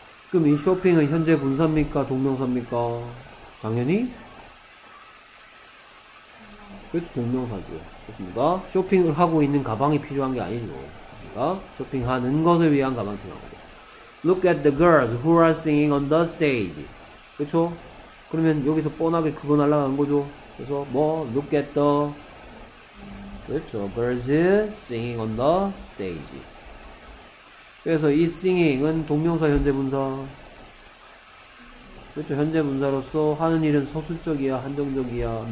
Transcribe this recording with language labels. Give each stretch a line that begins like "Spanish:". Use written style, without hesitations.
Korean: 그럼 이 쇼핑은 현재 분사입니까? 동명사입니까? 당연히? 그렇죠. 동명사죠. 그렇습니까? 쇼핑을 하고 있는 가방이 필요한 게 아니죠. 그러니까 쇼핑하는 것을 위한 가방이 필요한 거죠.
English: Look at the girls who are singing on the stage.
Korean: 그렇죠? 그러면 여기서 뻔하게 그거 날라간 거죠. 그래서 뭐?
English: Look at the
Korean: 그렇죠.
English: Girls singing on the stage.
Korean: 그래서 이 singing은 동명사 현재 분사. 그렇죠. 현재 분사로서 하는 일은 서술적이야, 한정적이야.